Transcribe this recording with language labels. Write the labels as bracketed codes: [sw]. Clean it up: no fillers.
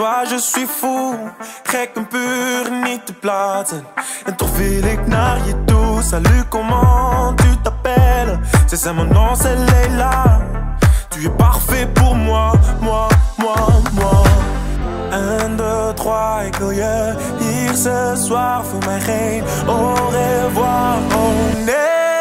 [fr] Je suis fou, [nl] gek en puur, niet te platen. En toch wil ik naar je toe. [fr] Salut, comment tu t'appelles? C'est ça mon nom, c'est Leila. Tu es parfait pour moi, moi, moi, moi. [nl] 1, 2, 3, ik wil je hier [fr] ce soir. [nl] Voor mij geen [fr] au revoir, [nl] oh nee.